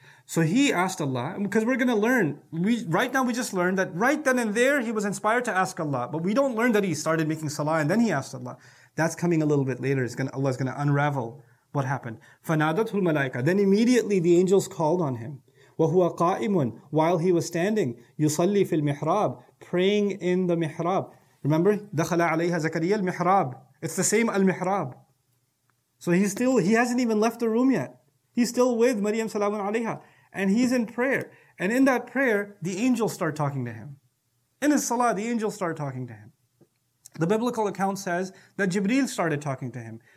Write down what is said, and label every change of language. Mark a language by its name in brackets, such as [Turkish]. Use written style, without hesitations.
[English] So he asked Allah, because we're going to learn. We just learned that right then and there he was inspired to ask Allah. But we don't learn that he started making salah and then he asked Allah. That's coming a little bit later. Allah is going to unravel what happened. [Arabic] فَنَادَتْهُ الْمَلَائِكَةُ. [English] Then immediately the angels called on him. [Arabic] وَهُوَ قَائِمٌ. [English] While he was standing, [Arabic] يُصَلِّي فِي الْمِحْرَابِ. [English] Praying in the mihrab. Remember, [Arabic] دَخَلَ عَلَيْهَا زَكَرِيَّ الْمِحْرَابِ. [English] It's the same al-mihrab. So he hasn't even left the room yet. He's still with Maryam salamu alayha. And he's in prayer. And in that prayer, the angels start talking to him. In his salah, the angels start talking to him. The biblical account says that Jibreel started talking to him.